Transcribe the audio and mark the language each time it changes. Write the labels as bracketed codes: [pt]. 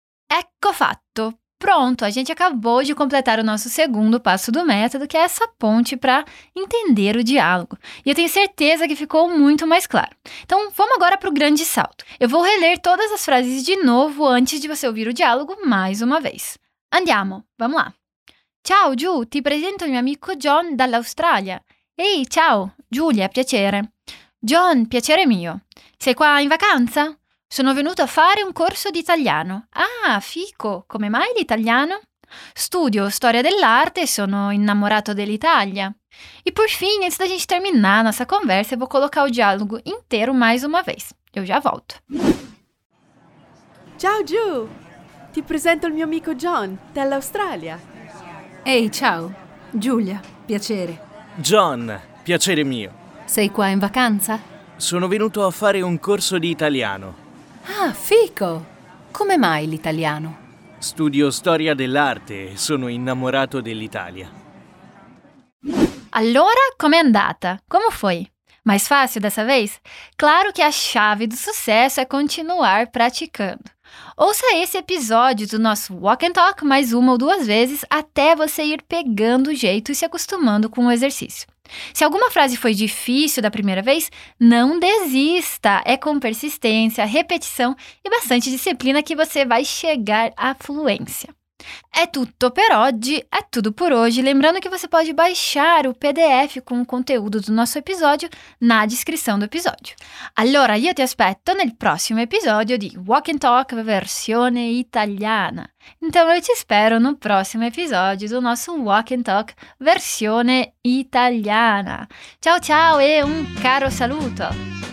[it] Ecco fatto. [pt] Pronto, a gente acabou de completar o nosso segundo passo do método, que é essa ponte para entender o diálogo. E eu tenho certeza que ficou muito mais claro. Então, vamos agora para o grande salto. Eu vou reler todas as frases de novo antes de você ouvir o diálogo mais uma vez. Andiamo, vamos là. [it] Ciao, Giù, ti presento il mio amico John dall'Australia. Ehi, ciao, Giulia, piacere. John, piacere mio. Sei qua in vacanza? Sono venuto a fare un corso di italiano. Ah, fico, come mai l'italiano? Studio storia dell'arte e sono innamorato dell'Italia. [pt] E por fim, antes da gente terminar nossa conversa, vou colocar o diálogo inteiro mais uma vez. Eu já volto. [it] Ciao, Giù! Ti presento il mio amico John, dall'Australia. Ehi, ciao. Giulia, piacere. John, piacere mio. Sei qua in vacanza? Sono venuto a fare un corso di italiano. Ah, fico! Come mai l'italiano? Studio storia dell'arte e sono innamorato dell'Italia. Allora, com'è andata? [pt] Come foi? Mais fácil dessa vez? Claro que a chave do sucesso é continuar praticando. Ouça esse episódio do nosso Walk and Talk mais uma ou duas vezes até você ir pegando o jeito e se acostumando com o exercício. Se alguma frase foi difícil da primeira vez, não desista! É com persistência, repetição e bastante disciplina que você vai chegar à fluência. [it] É tutto per oggi, [pt] é tudo por hoje. Lembrando que você pode baixar o PDF com o conteúdo do nosso episódio na descrição do episódio. [it] Allora, io ti aspetto nel prossimo episodio di Walk and Talk versione italiana. [pt] Então, eu te espero no próximo episódio do nosso Walk and Talk versione italiana. [it] Ciao, ciao e un caro saluto!